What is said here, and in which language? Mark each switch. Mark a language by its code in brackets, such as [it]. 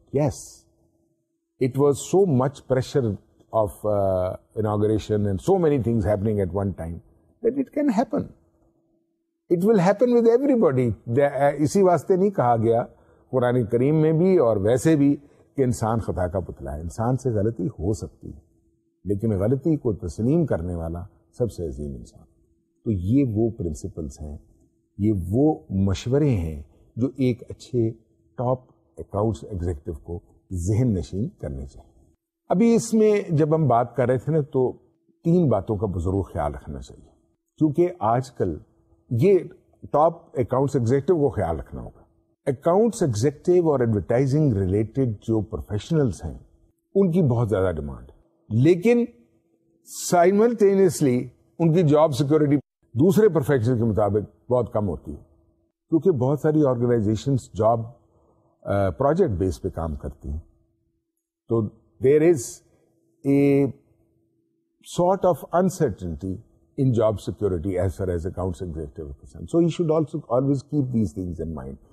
[en] Yes it was so much pressure of inauguration and so many things happening at one time that it can happen. It will happen with everybody. [ur] اسی واسطے نہیں کہا گیا قرآن کریم میں بھی اور ویسے بھی کہ انسان خطا کا پتلا ہے, انسان سے غلطی ہو سکتی ہے لیکن غلطی کو تسلیم کرنے والا سب سے عظیم انسان. تو یہ وہ پرنسپلس ہیں, یہ وہ مشورے ہیں جو ایک اچھے ٹاپ اکاؤنٹس ایگزیکٹو کو ذہن نشین کرنے چاہیے. ابھی اس میں جب ہم بات کر رہے تھے نا, تو تین باتوں کا ضرور خیال رکھنا چاہیے, کیونکہ آج کل یہ ٹاپ اکاؤنٹس ایگزیکٹو کو خیال رکھنا ہوگا. اکاؤنٹس ایگزیکٹو اور ایڈورٹائزنگ ریلیٹڈ جو پروفیشنلز ہیں ان کی بہت زیادہ ڈیمانڈ, لیکن سائملٹینیسلی ان کی جاب سیکورٹی دوسرے پروفیشنل کے مطابق بہت کم ہوتی ہے, کیونکہ بہت ساری آرگنائزیشنز جاب پروجیکٹ بیس پہ کام کرتی ہیں. [en] تو there is a sort of uncertainty in job security as far as accounts executive is concerned, so you should also always keep these things in mind.